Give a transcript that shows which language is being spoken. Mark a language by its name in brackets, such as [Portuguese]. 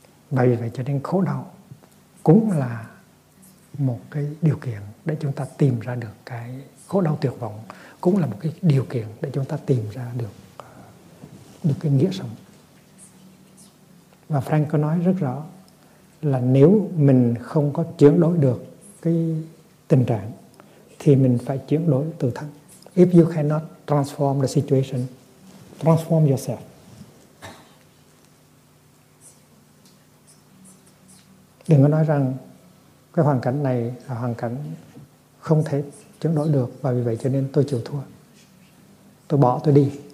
[Vietnamese] Và vì vậy cho nên khổ đau cũng là một cái điều kiện để chúng ta tìm ra được cái khổ đau tuyệt vọng, cũng là một cái điều kiện để chúng ta tìm ra được cái nghĩa sống. Và Frank có nói rất rõ là nếu mình không có chuyển đổi được cái tình trạng thì mình phải chuyển đổi tự thân. [English] If you cannot transform the situation, transform yourself. [Vietnamese] Đừng có nói rằng cái hoàn cảnh này là hoàn cảnh không thể chuyển đổi được và vì vậy cho nên tôi chịu thua. Tôi bỏ, tôi đi.